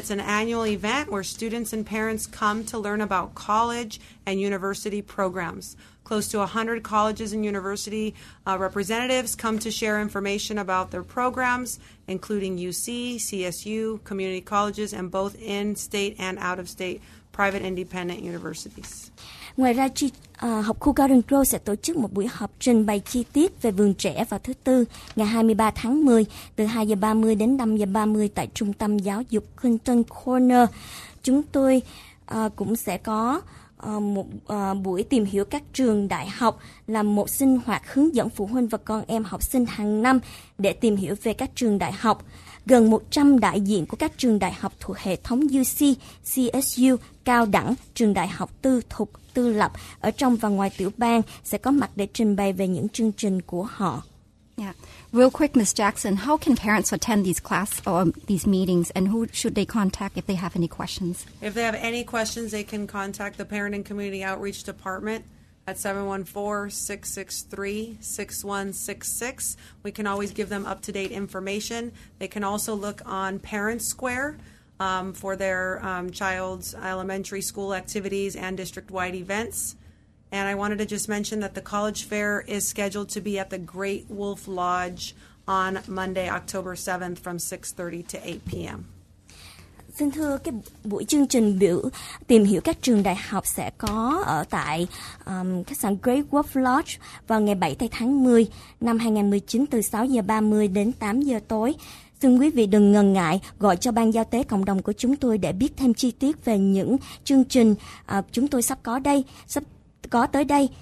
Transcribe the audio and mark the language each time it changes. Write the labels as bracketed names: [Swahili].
[English] It's an annual event where students and parents come to learn about college and university programs. Close to 100 colleges and university representatives come to share information about their programs, including UC, CSU, community colleges, and both in-state and out-of-state private independent universities. [Vietnamese] Ngoài ra, học khu Garden Grove sẽ tổ chức một buổi họp trình bày chi tiết về vườn trẻ vào thứ Tư, ngày 23 tháng 10, từ 2:30 đến 5:30 tại Trung tâm Giáo dục Clinton Corner. Chúng tôi cũng sẽ có một buổi tìm hiểu các trường đại học, là một sinh hoạt hướng dẫn phụ huynh và con em học sinh hàng năm để tìm hiểu về các trường đại học. Gần 100 đại diện của các trường đại học thuộc hệ thống UC, CSU, cao đẳng, trường đại học tư thục, tư lập ở trong và ngoài tiểu bang sẽ có mặt để trình bày về những chương trình của họ. [English] Yeah. Real quick, Ms. Jackson, how can parents attend these classes or these meetings, and who should they contact if they have any questions? If they have any questions, they can contact the Parent and Community Outreach Department at 714-663-6166. We can always give them up-to-date information. They can also look on Parent Square for their child's elementary school activities and district-wide events. And I wanted to just mention that the college fair is scheduled to be at the Great Wolf Lodge on Monday, October 7th from 6:30 to 8 p.m. [Vietnamese] Xin thưa, cái buổi chương trình biểu tìm hiểu các trường đại học sẽ có ở tại khách sạn Great Wolf Lodge vào ngày 7 tháng 10 năm 2019 từ 6 giờ 30 đến 8 giờ tối. Xin quý vị đừng ngần ngại gọi cho ban giao tế cộng đồng của chúng tôi để biết thêm chi tiết về những chương trình chúng tôi sắp có đây, sắp có tới đây.